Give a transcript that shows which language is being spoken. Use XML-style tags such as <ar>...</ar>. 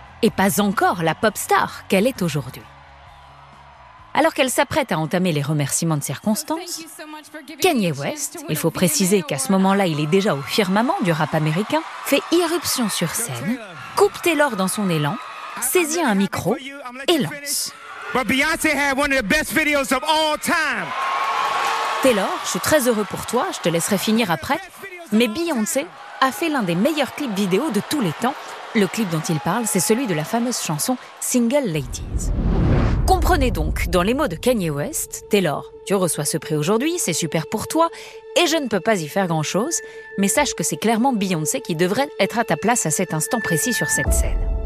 <fr>Et pas encore la pop star qu'elle est aujourd'hui. Alors qu'elle s'apprête à entamer les remerciements de circonstance, Kanye West, il faut préciser qu'à ce moment-là, il est déjà au firmament du rap américain, fait irruption sur scène, coupe Taylor dans son élan, saisit un micro et lance.</fr> <en>But Beyoncé had one of the best videos of all time.</en> <fr>Taylor, je suis très heureux pour toi, je te laisserai finir après. Mais Beyoncé a fait l'un des meilleurs clips vidéo de tous les temps. Le clip dont il parle, c'est celui de la fameuse chanson Single Ladies. Comprenez donc, dans les mots de Kanye West, Taylor, tu reçois ce prix aujourd'hui, c'est super pour toi, et je ne peux pas y faire grand-chose, mais sache que c'est clairement Beyoncé qui devrait être à ta place à cet instant précis sur cette scène.</fr>